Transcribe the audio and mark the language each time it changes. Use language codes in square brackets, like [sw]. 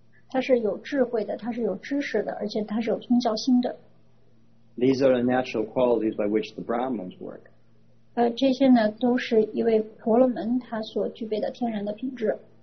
[zh] 它是有智慧的，它是有知识的，而且它是有宗教心的。 [en] These are the natural qualities by which the Brahmins work。 [zh] 这些呢都是一位婆罗门他所具备的天然的品质。